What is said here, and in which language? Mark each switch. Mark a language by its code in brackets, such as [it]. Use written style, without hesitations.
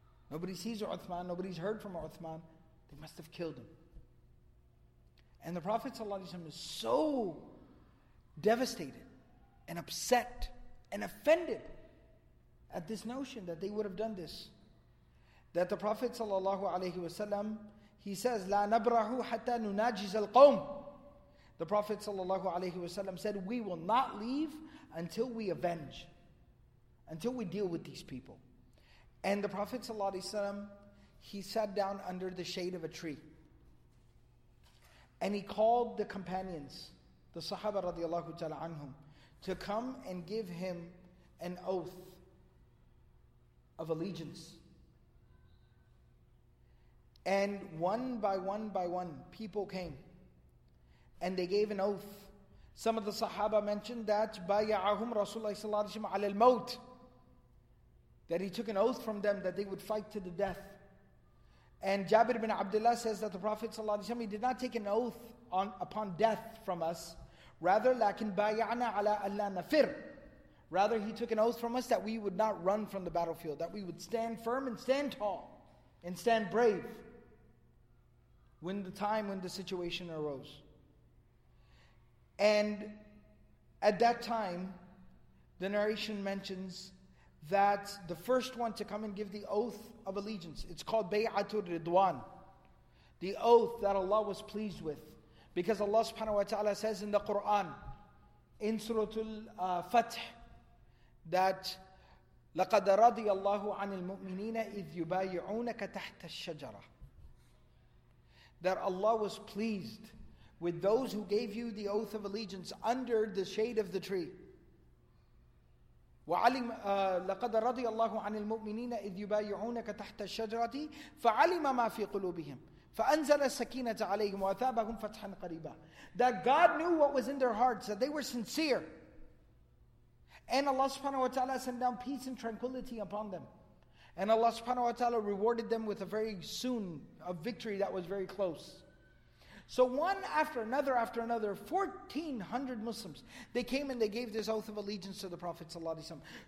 [en] Nobody sees Uthman, nobody's heard from Uthman. They must have killed him. And the Prophet ﷺ is so devastated and upset and offended at this notion that they would have done this. That the Prophet ﷺ, he says, [ar] لَا نَبْرَحُ حَتَّى نُنَاجِزَ الْقَوْمِ. [en] The Prophet ﷺ said, we will not leave until we avenge, until we deal with these people. And the Prophet ﷺ, he sat down under the shade of a tree. And he called the companions, the Sahaba radiallahu ta'ala anhum, to come and give him an oath of allegiance. And one by one by one, people came. And they gave an oath. Some of the Sahaba mentioned that [ar] بَيَعَهُمْ رَسُولَ اللَّهِ عَلَى الْمَوْتِ, [en] that he took an oath from them that they would fight to the death. And Jabir bin Abdullah says that the Prophet ﷺ, he did not take an oath upon death from us. [ar] Rather, لَكِنْ بَيَعْنَا عَلَىٰ أَلَّا نَفِرْ. [en] Rather, he took an oath from us that we would not run from the battlefield, that we would stand firm and stand tall and stand brave when the time, when the situation arose. And at that time, the narration mentions that the first one to come and give the oath of allegiance, it's called Bay'atul Ridwan, the oath that Allah was pleased with. Because Allah subhanahu wa ta'ala says in the Quran, in Suratul Fath, that [ar] لَقَدَ رَضِيَ اللَّهُ عَنِ الْمُؤْمِنِينَ إِذْ يُبَايِعُونَكَ تَحْتَ الشَّجَرَةِ, [en] that Allah was pleased with those who gave you the oath of allegiance under the shade of the tree. [ar] لقد رضي الله عن المؤمنين إذ يبايعونك تحت الشجرة فعلم ما في قلوبهم فأنزل السكينة عليهم وأثابهم فتحا قريبا. [en] That God knew what was in their hearts, that they were sincere, and Allah subhanahu wa ta'ala sent down peace and tranquility upon them, and Allah subhanahu wa ta'ala rewarded them with a victory that was very close. So one after another, 1,400 Muslims, they came and they gave this oath of allegiance to the Prophet ﷺ.